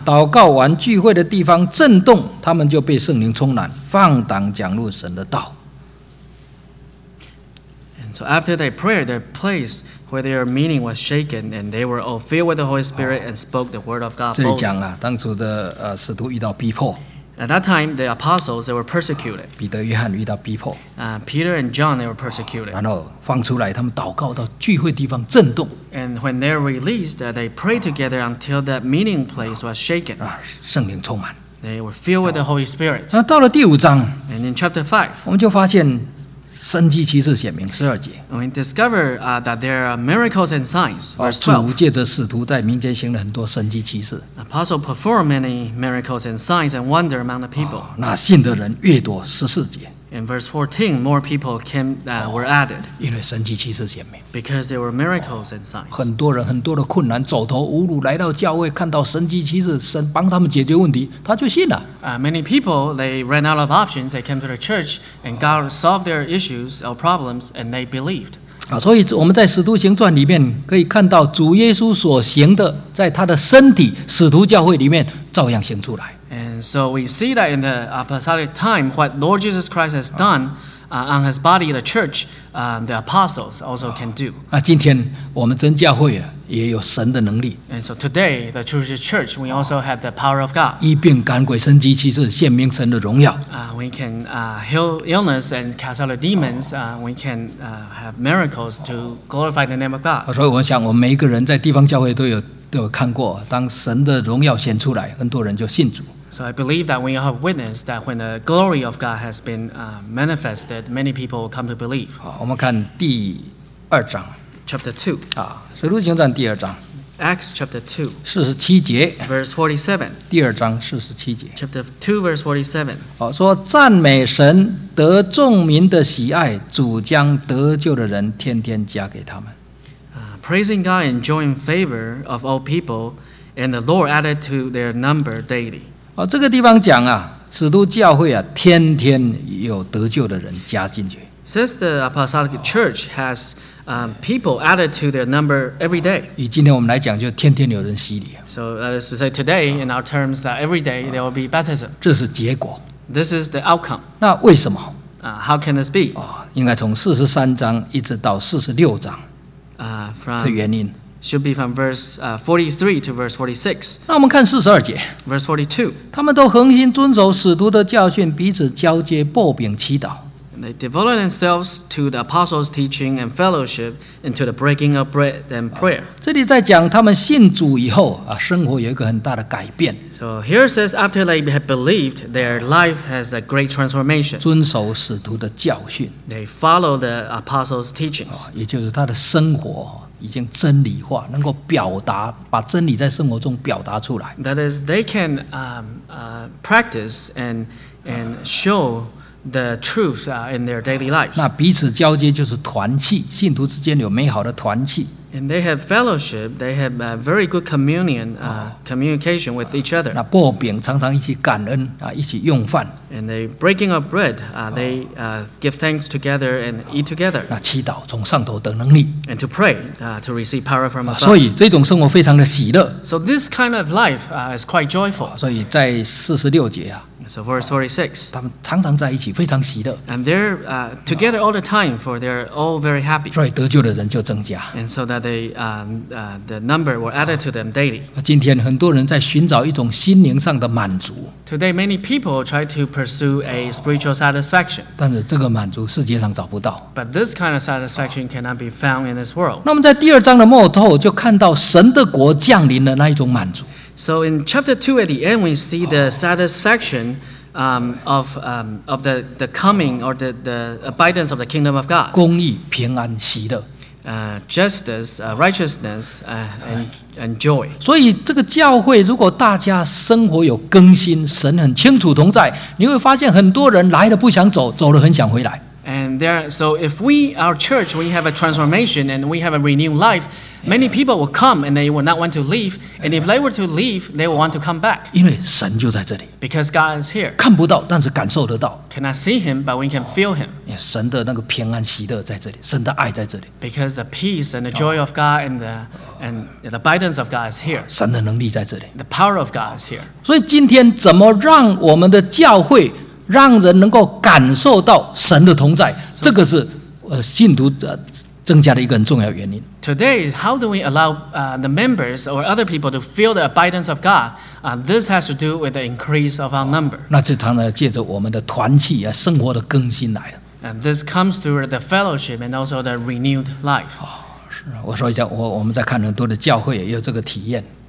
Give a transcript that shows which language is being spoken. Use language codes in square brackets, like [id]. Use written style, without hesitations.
[zh] 祷告完聚会的地方震动，他们就被圣灵充满，放胆讲论神的道。 [en] So after their prayer, the place where their meeting was shaken, and they were all filled with the Holy Spirit and spoke the word of God. [zh] 这里讲啊，当初的使徒遇到逼迫。 [en] At that time, the apostles they were persecuted. [zh] 彼得、约翰遇到逼迫。 [en] Peter and John they were persecuted. [zh] 然后放出来，他们祷告到聚会地方震动。 [en] And when they were released, they prayed together until that meeting place was shaken. [zh] 圣灵充满。 [en] They were filled with the Holy Spirit. [zh] 那到了第五章。 [en] And in chapter 5, [zh] 我们就发现。神迹奇事显明十二节。 [en] We discover that there are miracles and signs. Verse 12. [zh] 主借着使徒在民间行了很多神迹奇事。 [en] Apostle performed many miracles and signs and wonder among the people. [zh] 那信的人越多，十四节。 [en] In verse 14, more people came were added. [zh] 因为神迹奇事显明。 [en] Because there were miracles and signs. [zh] 很多人很多的困难，走投无路，来到教会，看到神迹奇事，神帮他们解决问题，他就信了。 [en] Many people they ran out of options. They came to the church and God solved their issues or problems, and they believed. [zh] 所以我们在《使徒行传》里面可以看到主耶稣所行的，在他的身体使徒教会里面照样行出来。 [en] And so we see that in the apostolic time, what Lord Jesus Christ has done on his body, the church, the apostles also can do. [zh] 那今天我们真教会啊，也有神的能力。 [en] And so today, the true church, we also have the power of God. [zh] 医病赶鬼神迹奇事，显明神的荣耀。 [en] We can heal illness and cast out the demons. We can have miracles to glorify the name of God. [zh] 所以我想，我们每一个人在地方教会都有看过，当神的荣耀显出来，很多人就信主。 [en] So I believe that we have witnessed that when the glory of God has been manifested, many people come to believe. [zh] 好，我们看第二章。 [en] Chapter 2. [zh] 使徒行传第二章。 [en] Acts chapter 2. [zh] 47节。 [en] Verse 47. [zh] 第二章47节。 [en] Chapter 2, verse 47. [zh] 好，说赞美神，得众民的喜爱，主将得救的人天天加给他们。 [en] Praising God and enjoying favor of all people, and the Lord added to their number daily. [zh] 这个地方讲啊，使徒教会啊，天天有得救的人加进去。 [en] Since the apostolic church has people added to their number every day. [zh] 以今天我们来讲，就天天有人洗礼。 [en] So that is to say, today in our terms, that every day there will be baptism. [zh] 这是结果。 [en] This is the outcome. [zh] 那为什么？ [en] How can this be? [zh] 应该从43章一直到46章。这原因 [en] should be from verse 43 to verse 46. [zh] 那我们看42节 [en] verse 42. [zh] 他们都恒心遵守使徒的教训，彼此交接，擘饼祈祷。 [en] They devoted themselves to the apostles' teaching and fellowship, and to the breaking of bread and prayer. [zh] 这里在讲他们信主以后啊，生活有一个很大的改变。 [en] So here it says after they have believed, their life has a great transformation. [zh] 遵守使徒的教训。 [en] They follow the apostles' teachings. [zh] 也就是他的生活已经真理化，能够表达，把真理在生活中表达出来。 [en] That is, they can practice and show. The truth in their daily lives. [zh] 那彼此交接就是团契，信徒之间有美好的团契。 [en] And they have fellowship. They have a very good communion, communication with each other. [zh] 那擘饼常常一起感恩一起用饭。 [en] And they breaking of bread. They give thanks together and eat together. [zh] 那祈祷从上头得能力。 [en] And to pray to receive power from above. [zh] 所以这种生活非常的喜乐。 [en] So this kind of life is quite joyful. [zh] 所以在四十六节 [en] So verse 46. [zh] 他们常常在一起，非常喜乐。 [en] And they're together all the time, for they're all very happy. [zh] 所以得救的人就增加。 [en] And so that they the number were added to them daily. [zh] 今天很多人在寻找一种心灵上的满足。 [en] Today many people try to pursue a spiritual satisfaction. [zh] 但是这个满足世界上找不到。 [en] But this kind of satisfaction cannot be found in this world. [zh] 那我们在第二章的末头就看到神的国降临的那一种满足。 [en] So in chapter 2 at the end, we see the satisfaction of the coming or the abundance of the kingdom of God. [zh] 公义、平安、喜乐。 [en] Justice, righteousness, and joy. [zh] 所以这个教会如果大家生活有更新，神很清楚同在，你会发现很多人来了不想走，走了很想回来。 [en] And there, so if we, our church, we have a transformation and we have a renewed life, many people will come and they will not want to leave. And if they were to leave, they will want to come back. Because God is here. [zh] 看不到, 但是感受得到, [en] cannot see him, but we can feel him. [zh] 神的那个平安, 喜乐在这里, [en] because the peace and the joy of God and the abundance of God is here. [zh] 神的能力在这里, [en] the power of God is here. [zh] 所以今天怎么让我们的教会 让人能够感受到神的同在 这个是信徒增加的一个很重要原因 [en] Today, how do we allow the members or other people to feel the abundance of God? This has to do with the increase of our number [zh] 那这常常借着我们的团契生活的更新来的 [en] And this comes through the fellowship and also the renewed life [zh] 我说一下我们在看很多的教会也有这个体验